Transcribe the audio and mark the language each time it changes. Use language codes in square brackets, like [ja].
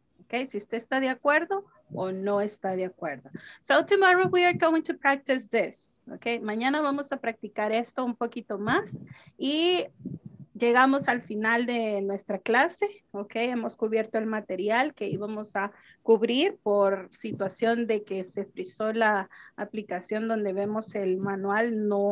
[es] Okay, si usted está de acuerdo o no está de acuerdo. [en] So tomorrow we are going to practice this. [es] Okay, mañana vamos a practicar esto un poquito más y llegamos al final de nuestra clase. Okay, hemos cubierto el material que íbamos a cubrir por situación de que se frizó la aplicación donde vemos el manual.